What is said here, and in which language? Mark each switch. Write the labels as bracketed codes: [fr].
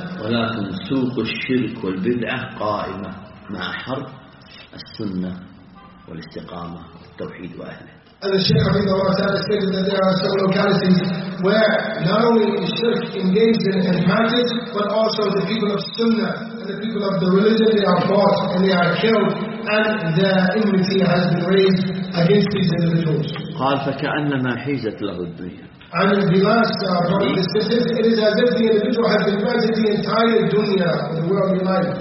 [ar] ولكن سوق الشرك والبدعة قائمة مع حرب السنة والاستقامة والتوحيد وأهله. [en] And the Shaykh Abid Allah Ta'ala stated that there are some localities where not only is shirk engaged in and practiced, but also the people of Sunnah and the people of the religion, they are bought and they are killed, and their enmity has been raised against these individuals. [ar] قال فكأنما حيزت له الدنيا. [en] And the last part of the sentence, it is as if the individual has been granted the entire dunya, the worldly life.